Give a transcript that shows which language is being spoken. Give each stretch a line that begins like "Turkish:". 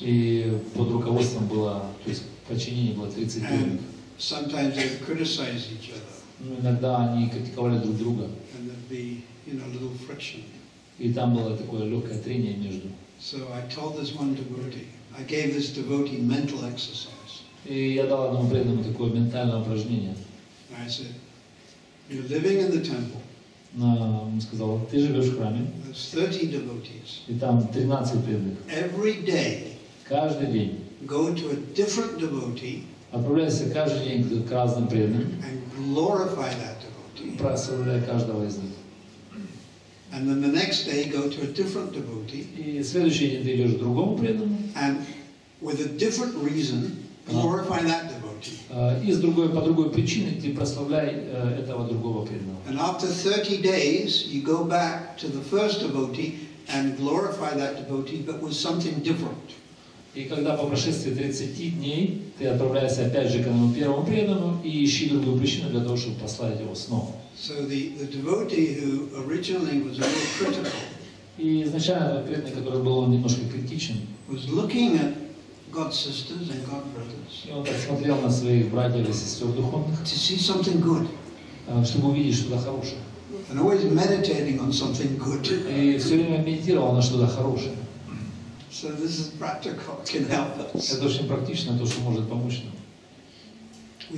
Russian: И под руководством было, то есть подчинение было 30
English: devotees. Sometimes they criticize each other.
Russian: Иногда они критиковали друг друга.
English: And there'd be, you know, a little friction.
Russian: И там было такое легкое трение между.
English: So I told this one devotee, I gave this devotee mental exercise.
Russian: И я дал одному преданному такое ментальное упражнение.
English: I said, you're living in the temple.
Russian: Он сказал, ты живешь в храме.
English: There's 30 devotees.
Russian: И там 13 преданных.
English: Every day.
Russian: Каждый день.
English: Go to a different devotee.
Russian: Отправляйся каждый день к разным преданным.
English: And glorify that devotee.
Russian: Прославляй каждого из них.
English: And then the next day go to a different devotee.
Russian: И следующий день ты идешь к другому преданному.
English: And with a different reason, glorify that devotee.
Russian: И с другой, по другой причине ты прославляй этого другого преданного.
English: And after 30 days you go back to the first devotee and glorify that devotee, but with something different.
Russian: И когда по прошествии 30 дней ты отправляешься опять же к этому первому преданному и ищи другую причину для того, чтобы послать его снова.
English: So the devotee who originally was a little critical.
Russian: И изначально преданный, который был немножко критичен.
English: Was looking at God's sisters and God's brothers.
Russian: И он так смотрел на своих братьев и сестер духовных.
English: To see something good.
Russian: Чтобы увидеть что-то хорошее.
English: And always meditating on something good.
Russian: И все время медитировал на что-то хорошее.
English: So this is practical. Can help us.
Russian: Это очень практично, то что может помочь нам.